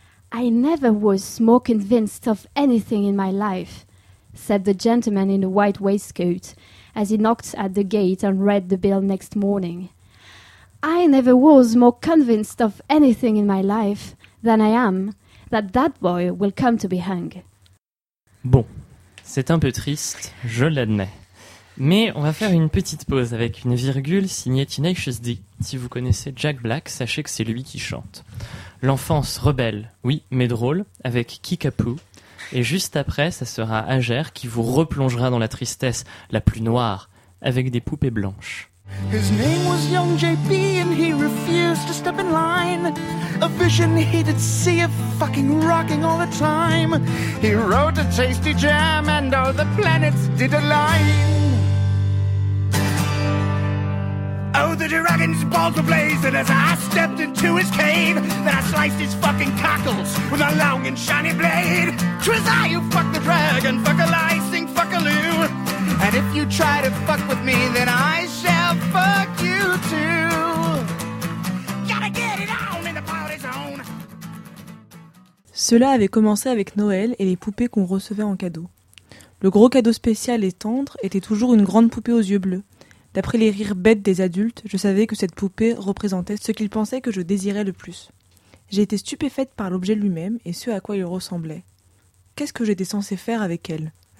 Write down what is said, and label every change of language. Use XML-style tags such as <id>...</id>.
<en>I never was more convinced of anything in my life, said the gentleman in the white waistcoat as he knocked at the gate and read the bill next morning. I never was more convinced of anything in my life than I am that that boy will come to be hung.</en> <fr>Bon, c'est un peu triste, je l'admets. Mais on va faire une petite pause avec une virgule signée Tenacious D. Si vous connaissez Jack Black, sachez que c'est lui qui chante. L'enfance rebelle, oui, mais drôle, avec Kickapoo. Et juste après, ça sera Hagère qui vous replongera dans la tristesse la plus noire avec des poupées blanches.</fr> <en>His name was Young JP and he refused to step in line. A vision he did see of fucking rocking all the time. He wrote a tasty jam and all the planets did align. Oh, the dragon's balls were blazing as I stepped into his cave. Then I sliced his fucking cockles with a long and shiny blade. 'Twas I who fucked the dragon, fuck a lie, sing fuck a loo. And if you try to fuck with me, then I shall fuck you too. Gotta get it on in the party zone.</en> <fr>Cela avait commencé avec Noël et les poupées qu'on recevait en cadeau. Le gros cadeau spécial et tendre était toujours une grande poupée aux yeux bleus. D'après les rires bêtes des adultes, je savais que cette poupée représentait ce qu'ils pensaient que je désirais le plus. J'ai été stupéfaite par l'objet lui-même et ce à quoi il ressemblait. Qu'est-ce que j'étais censée faire avec elle ?</fr>